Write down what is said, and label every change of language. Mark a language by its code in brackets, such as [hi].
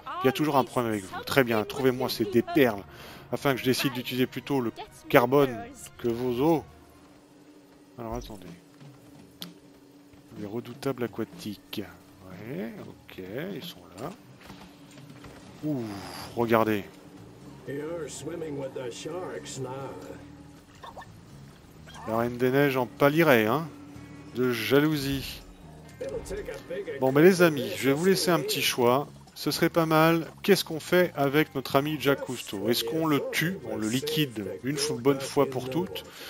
[fr] Il y a toujours un problème avec vous. Très bien, trouvez-moi ces des perles. Afin que je décide d'utiliser plutôt le carbone que vos eaux. Alors attendez. Les redoutables aquatiques. Ouais, ok, ils sont là. Ouh, regardez. [en] You're swimming with the sharks now. [fr] La reine des neiges en pâlirait, hein, de jalousie. Bon, mais les amis, je vais vous laisser un petit choix. Ce serait pas mal. Qu'est-ce qu'on fait avec notre ami Jack Cousteau? Est-ce qu'on le tue, on le liquide une bonne fois pour toutes?